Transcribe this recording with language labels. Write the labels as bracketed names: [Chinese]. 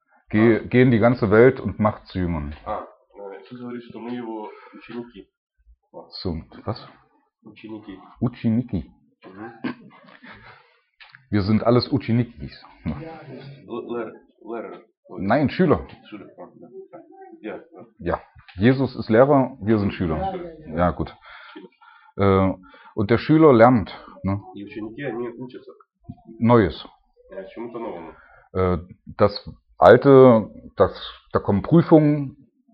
[German] Geh in die ganze Welt und mach zu Jüngern. [Russian] Иисус говорит, что мы его ученики. [German] So, was? [Russian] Ученики. Ученики. [German] Wir sind alles Uchinikis. Lehrer. Nein, Schüler. Schüler. Ja. Ja. Jesus ist Lehrer, wir sind Schüler. Ja, gut. Und der Schüler lernt. Ne? [Russian] Die Uchiniki, они учатся. [German] Neues. [Russian] Ja, чему-то новому. [German] Das Alte, das, da kommen Prüfungen.